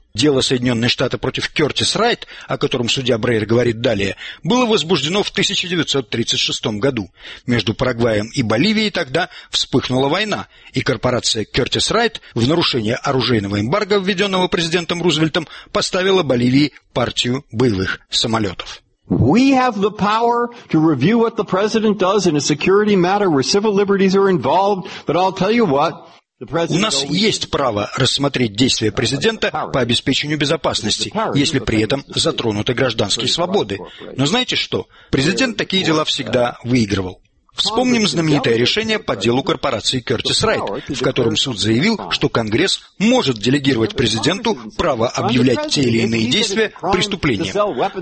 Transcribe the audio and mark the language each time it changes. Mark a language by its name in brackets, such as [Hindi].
[Russian] Дело Соединенные Штаты против Кертис Райт, о котором судья Брейер говорит далее, было возбуждено в 1936 году. Между Парагваем и Боливией тогда вспыхнула война, и корпорация Кертис Райт в нарушение оружейного эмбарго, введенного президентом Рузвельтом, поставила Боливии партию боевых самолетов. [English] We have the power to review what the president does in a security matter where civil liberties are involved, but I'll tell you what. [Russian] У нас есть право рассмотреть действия президента по обеспечению безопасности, если при этом затронуты гражданские свободы. Но знаете что? Президент такие дела всегда выигрывал. Вспомним знаменитое решение по делу корпорации Кертис Райт, в котором суд заявил, что Конгресс может делегировать президенту право объявлять те или иные действия преступлением.